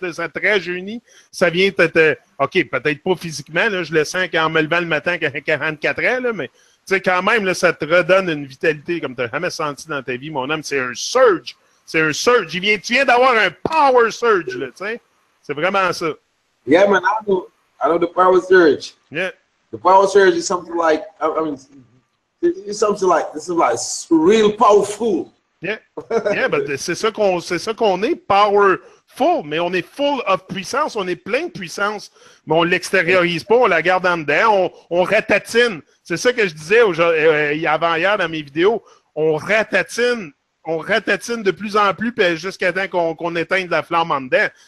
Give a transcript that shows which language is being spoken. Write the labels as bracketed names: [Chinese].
[French] Là, ça te rajeunit. Ça vient peut-être. OK, peut-être pas physiquement. Là, je le sens qu'en me levant le matin quand j'ai 44 ans, là, mais tu sais, quand même, là, ça te redonne une vitalité comme tu n'as jamais senti dans ta vie, mon homme. C'est un surge. C'est un surge. Tu viens d'avoir un power surge, là, tu sais. C'est vraiment ça. [English] Yeah, man, I know the power surge. Yeah. The power surge is something like, I mean, it's something like, this is like real Yeah, powerful. [French] ben c'est ça qu'on est, power full, mais on est full of puissance, on est plein de puissance, mais on l'extériorise pas, on la garde en dedans, on ratatine. C'est ça que je disais avant-hier dans mes vidéos. On ratatine de plus en plus jusqu'à temps qu'on éteigne la flamme en dedans.